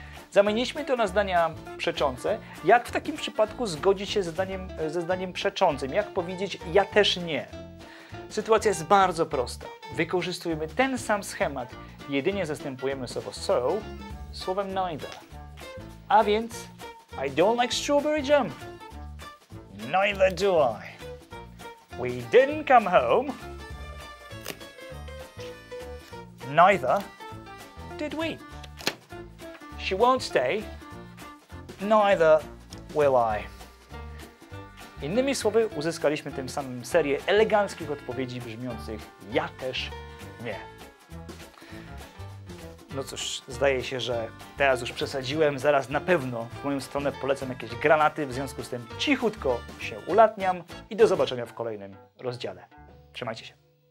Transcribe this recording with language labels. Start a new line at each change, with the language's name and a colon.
Polish: Zamieniliśmy to na zdania przeczące. Jak w takim przypadku zgodzić się ze zdaniem przeczącym? Jak powiedzieć ja też nie? Sytuacja jest bardzo prosta. Wykorzystujemy ten sam schemat, jedynie zastępujemy słowo so słowem neither. A więc
English: I don't like strawberry jam. Neither do I. We didn't come home. Neither did we. She won't stay, neither will I.
Polish: Innymi słowy, uzyskaliśmy tym samym serię eleganckich odpowiedzi brzmiących ja też nie. No cóż, zdaje się, że teraz już przesadziłem, zaraz na pewno w moją stronę polecam jakieś granaty, w związku z tym cichutko się ulatniam i do zobaczenia w kolejnym rozdziale. Trzymajcie się.